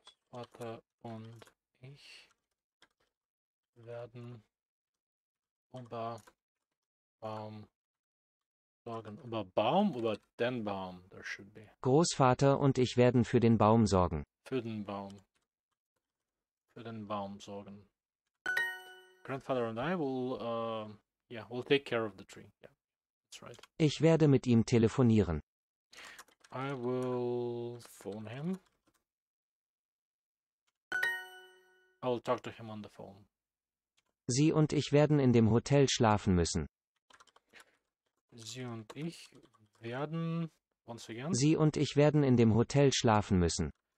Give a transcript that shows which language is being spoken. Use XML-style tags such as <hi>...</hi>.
<de>Großvater und ich werden über Baum sorgen. Über Baum? Über den Baum?</de> <en>There should be.</en> <de>Großvater und ich werden für den Baum sorgen. Für den Baum. Für den Baum sorgen.</de> <en>Grandfather and I will, will take care of the tree. Yeah, that's right.</en> <de>Ich werde mit ihm telefonieren.</de> <en>I will phone him. I will talk to him on the phone.</en> <de>Sie und ich werden in dem Hotel schlafen müssen. Sie und ich werden,</de> <en>once again.</en> <de>Sie und ich werden in dem Hotel schlafen müssen.</de>